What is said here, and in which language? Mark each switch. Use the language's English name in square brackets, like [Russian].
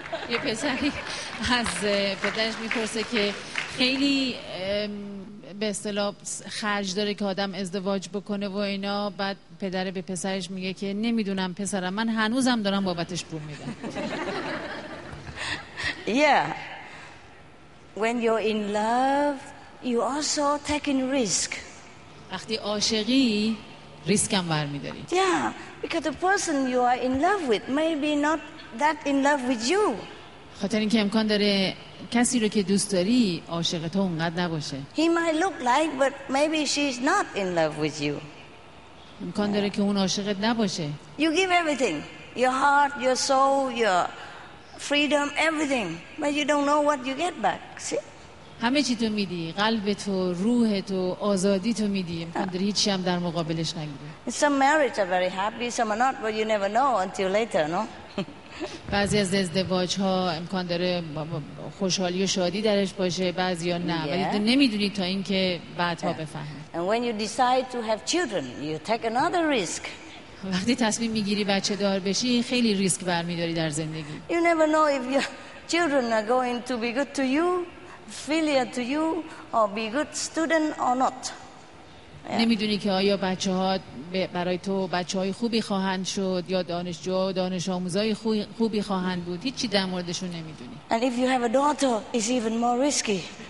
[Persian] یه پسری از پدرش میپرسه که خیلی به اصطلاح خرج داره که آدم ازدواج بکنه و اینا. بعد پدر به پسرش میگه که نمیدونم پسرم، من هنوزم دارم بابتش پول میدم. [English] Yeah. When you're in love, you also taking risk. [Persian] وقتی عاشقی ریسک هم برمی‌داری. [English] Yeah, because the person you are in love with may be not that in love with you. [Persian] خاطر اینکه امکان داره کسی رو که دوست داری عاشق تو اونقدر نباشه. [English] He might look like, but maybe she's not in love with you. [Persian] امکان داره که اون عاشقت نباشه. [English] You give everything. Your heart, your soul, your freedom, everything, but you don't know what you get back. See? [Persian] همه چی تو میدی، قلبت و روحت و آزادی تو میدی، امکان داره هیچی هم در مقابلش نگیری. [English] Some marriages are very happy, some are not, but you never know until later, no? [Persian] بعضی از ازدواج ها امکان داره خوشحالی و شادی درش باشه، بعضی ها نه، ولی تو نمیدونی تا اینکه بعدها بفهمی. [English] And when you decide to have children, you take another risk. [Persian] وقتی تصمیم میگیری بچه دار بشی، خیلی ریسک برمیداری در زندگی. [English] You never know if your children are going to be good to you, filial to you, or be good student or not. [Persian] نمیدونی که آیا بچه ها برای تو بچه های خوبی خواهند شد یا دانشجو و دانش آموزای خوبی خواهند بود. هیچی در موردشون نمیدونی. [English] And if you have a daughter, it's even more risky.